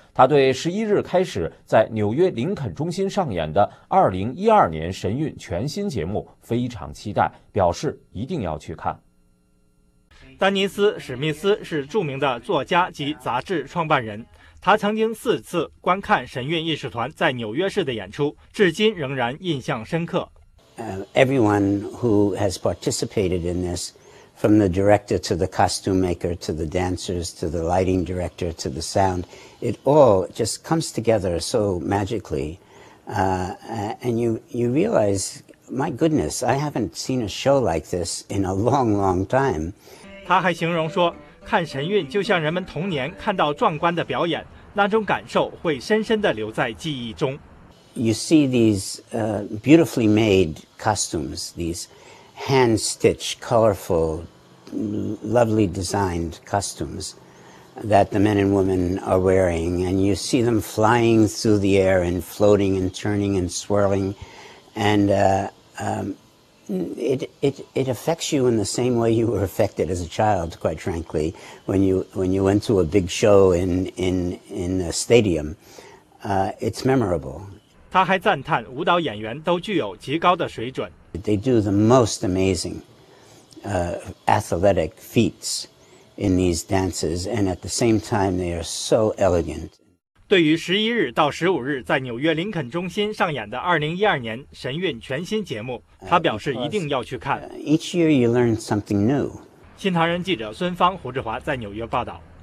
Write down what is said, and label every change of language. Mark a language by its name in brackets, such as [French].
[Chinese] 他对11日开始在纽约林肯中心上演的2012年神韵全新节目非常期待，表示一定要去看。丹尼斯·史密斯是著名的作家及杂志创办人，他曾经四次观看神韵艺术团在纽约市的演出，至今仍然印象深刻。 [English] Everyone who has participated in this, from the director to the costume maker to the dancers to the lighting director to the sound, it all just comes together so magically. And you realize, my goodness, I haven't seen a show like this in a long, long time. [Chinese] 他还形容说，看神韵就像人们童年看到壮观的表演，那种感受会深深地留在记忆中。 [English] You see these beautifully made costumes, these hand-stitched, colorful, lovely designed costumes that the men and women are wearing, and you see them flying through the air and floating and turning and swirling, and it affects you in the same way you were affected as a child, quite frankly, when you went to a big show in a stadium. It's memorable. [Chinese] 他还赞叹舞蹈演员都具有极高的水准。 [English] They do the most amazing, athletic feats in these dances, and at the same time, they are so elegant. [Chinese] 对于十一日到十五日在纽约林肯中心上演的2012年神韵全新节目，他表示一定要去看。 [English] Each year you learn something new. [Chinese] 新唐人记者孙芳、胡志华在纽约报道。